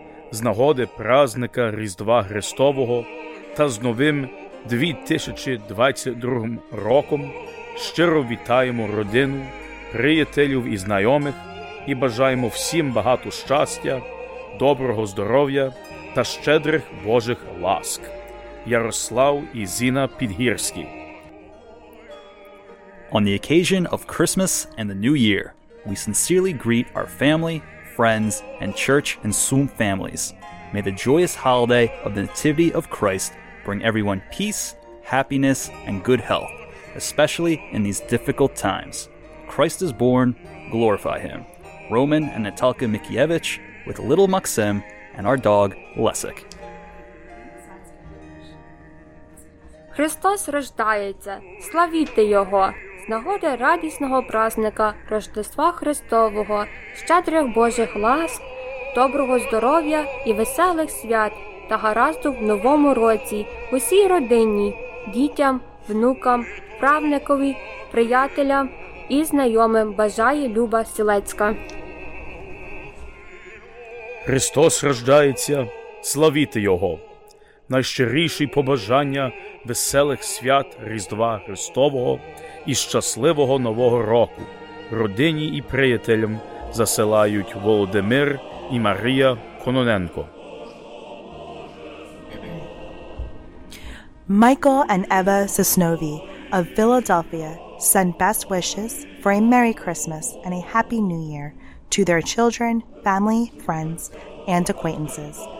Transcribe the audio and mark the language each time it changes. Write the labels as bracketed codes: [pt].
[uk] З нагоди празника Різдва Христового та з новим 2022 роком щиро вітаємо родину, приятелів і знайомих і бажаємо всім багато щастя, доброго здоров'я та щедрих Божих ласк. Ярослав і Зіна Підгірські. [en] On the occasion of Christmas and the New Year, we sincerely greet our family, friends, and church and Sum families. May the joyous holiday of the Nativity of Christ bring everyone peace, happiness, and good health, especially in these difficult times. Christ is born, glorify Him. Roman and Natalka Mikievich with little Maxim and our dog, Lesik. [uk] Христос рождається, славіте Його! З нагоди радісного праздника Рождества Христового, щедрих Божих ласк, доброго здоров'я і веселих свят та гаразду в новому році усій родині, дітям, внукам, правникові, приятелям і знайомим бажає Люба Сілецька. Христос рождається, славіте Його! Найщиріші побажання веселих свят Різдва Христового і щасливого Нового року родині і приятелям засилають Володимир і Марія Кононенко. [en] Michael and Eva Sosnovy of Philadelphia send best wishes for a Merry Christmas and a Happy New Year to their children, family, friends, and acquaintances.